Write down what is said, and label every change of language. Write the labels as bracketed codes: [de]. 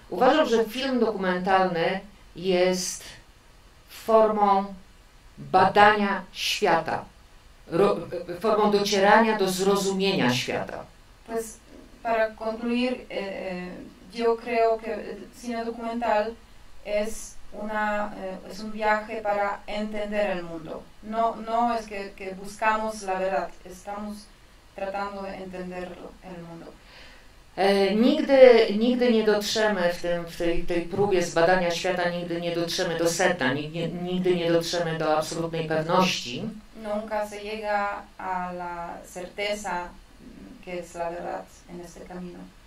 [pl] Uważam, że film dokumentalny jest formą badania świata. Formą docierania do zrozumienia świata. [es] Pues para concluir, yo creo que el cine documental es es un viaje para entender el mundo. No es que buscamos la verdad, estamos tratando de entender el mundo. [pl] Nigdy nie dotrzemy w tej próbie zbadania świata, nigdy nie dotrzemy do sedna, nigdy nie dotrzemy do absolutnej pewności. [es] Nunca se llega a la certeza que es la verdad en este camino.